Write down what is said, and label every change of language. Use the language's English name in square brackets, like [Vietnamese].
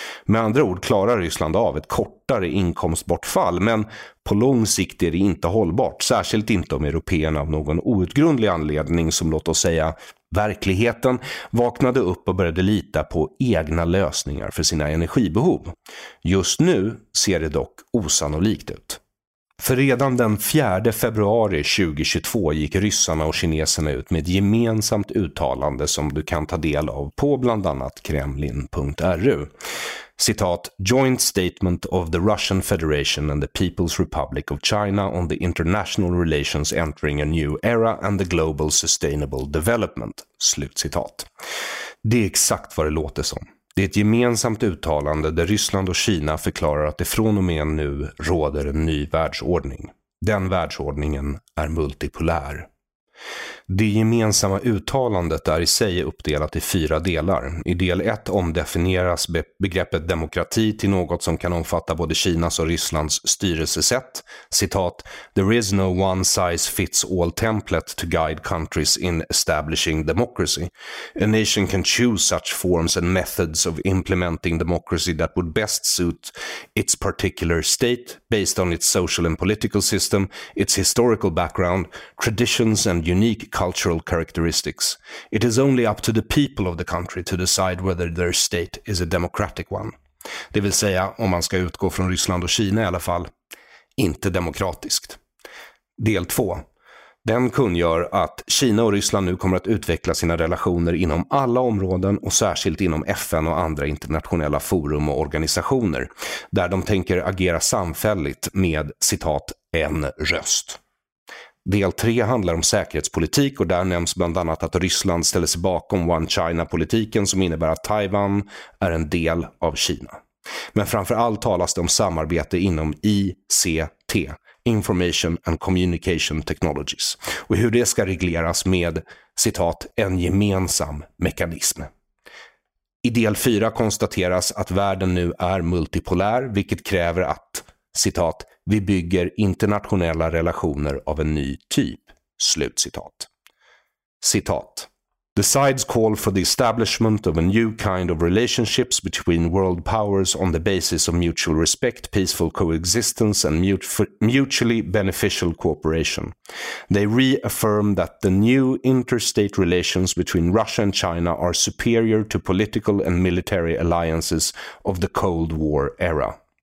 [Swedish] Med andra ord klarar Ryssland av ett kortare inkomstbortfall, men på lång sikt är det inte hållbart, särskilt inte om europeerna av någon outgrundlig anledning, som låt oss säga verkligheten, vaknade upp och började lita på egna lösningar för sina energibehov. Just nu ser det dock osannolikt ut. För redan den 4 februari 2022 gick ryssarna och kineserna ut med ett gemensamt uttalande som du kan ta del av på bland annat kremlin.ru. [English] Citat, Joint Statement of the Russian Federation and the People's Republic of China on the international relations entering a new era and the global sustainable development. [Swedish] Slutcitat. Det är exakt vad det låter som. Det är ett gemensamt uttalande där Ryssland och Kina förklarar att det från och med nu råder en ny världsordning. Den världsordningen är multipolär. Det gemensamma uttalandet är i sig uppdelat i 4. I del 1 omdefinieras begreppet demokrati till något som kan omfatta både Kinas och Rysslands styrelsesätt. [English] Citat, there is no one size fits all template to guide countries in establishing democracy. A nation can choose such forms and methods of implementing democracy that would best suit its particular state based on its social and political system, its historical background, traditions and unique cultural characteristics. It is only up to the people of the country to decide whether their state is a democratic one. [Swedish] Det vill säga, om man ska utgå från Ryssland och Kina i alla fall, inte demokratiskt. Del 2. Den kungör att Kina och Ryssland nu kommer att utveckla sina relationer inom alla områden och särskilt inom FN och andra internationella forum och organisationer där de tänker agera samfälligt med, citat, en röst. Del 3 handlar om säkerhetspolitik och där nämns bland annat att Ryssland ställer sig bakom One China-politiken som innebär att Taiwan är en del av Kina. Men framför allt talas det om samarbete inom ICT, Information and Communication Technologies, och hur det ska regleras med, citat, en gemensam mekanism. I del 4 konstateras att världen nu är multipolär, vilket kräver att, citat, vi bygger internationella relationer av en ny typ, slutcitat. Citat. [English] The sides call for the establishment of a new kind of relationships between world powers on the basis of mutual respect, peaceful coexistence and mutually beneficial cooperation. They reaffirm that the new interstate relations between Russia and China are superior to political and military alliances of the Cold War era.